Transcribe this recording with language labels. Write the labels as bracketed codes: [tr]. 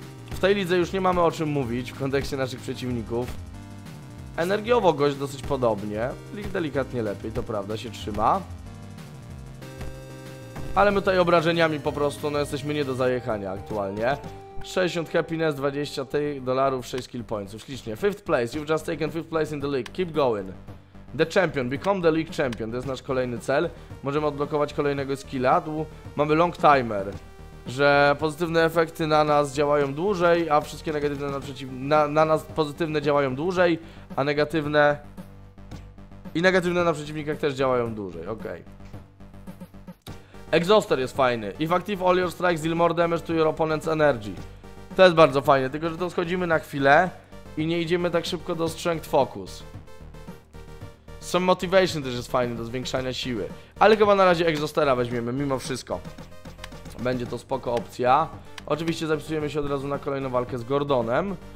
[pl] W tej lidze już nie mamy o czym mówić w kontekście naszych przeciwników. Energiowo gość dosyć podobnie. Delikatnie lepiej, to prawda, się trzyma. Ale my tutaj obrażeniami po prostu, no jesteśmy nie do zajechania aktualnie. [en] 60 happiness, $20, 6 kill points. [pl] Ślicznie. [en] Fifth place, you've just taken fifth place in the league. Keep going. The champion, become the league champion. [pl] To jest nasz kolejny cel. Możemy odblokować kolejnego skilla. Tu mamy long timer. Że pozytywne efekty na nas działają dłużej, a wszystkie negatywne na nas pozytywne działają dłużej, a negatywne i negatywne na przeciwnikach też działają dłużej, okej. Exhauster jest fajny. [en] If active all your strikes deal more damage to your opponent's energy. [pl] To jest bardzo fajne, tylko że to schodzimy na chwilę i nie idziemy tak szybko do strength focus. Some motivation też jest fajny do zwiększania siły, ale chyba na razie Exhaustera weźmiemy mimo wszystko. Będzie to spoko opcja. Oczywiście zapisujemy się od razu na kolejną walkę z Gordonem.